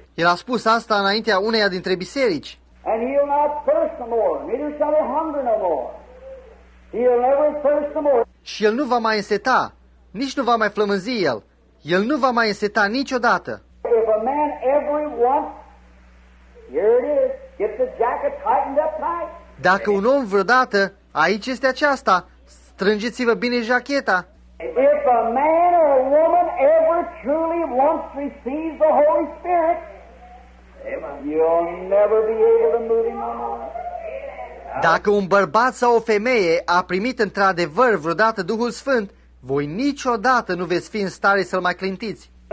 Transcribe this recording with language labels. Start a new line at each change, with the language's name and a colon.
Romanian: El a spus asta înaintea uneia dintre biserici.
English: And he'll not thirst no more, neither shall he hunger no more. He'll never thirst no more.
Romanian: Și el nu va mai înseta, nici nu va mai flămânzi el. El nu va mai înseta niciodată.
English: If a man ever wants, here it is, get the jacket tightened up tight.
Romanian: Dacă un om vreodată, aici este aceasta, strângeți-vă bine jacheta.
English: If a man or a woman ever truly wants to receive the Holy Spirit, you'll never be able to move him on.
Romanian: Dacă un bărbat sau o femeie a primit într-adevăr vreodată Duhul Sfânt, voi niciodată nu veți fi în stare să-l mai clintiți.